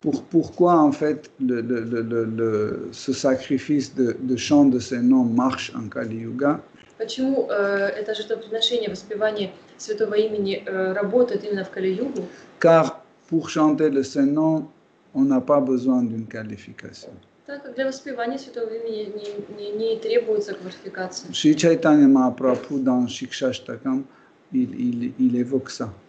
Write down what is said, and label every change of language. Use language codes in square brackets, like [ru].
[fr] Pourquoi en fait ce sacrifice de chant de ces noms marche en Kali Yuga? [ru] Почему это жертвоприношение, воспевание святого имени работает именно в Kali Yuga? [fr] Car pour chanter le saint nom, on n'a pas besoin d'une qualification. [ru] Так как для воспевания святого имени не требуется квалификация. [fr] Шри Чайтанья Махапрабху дан Шикшаштакам il évoque ça.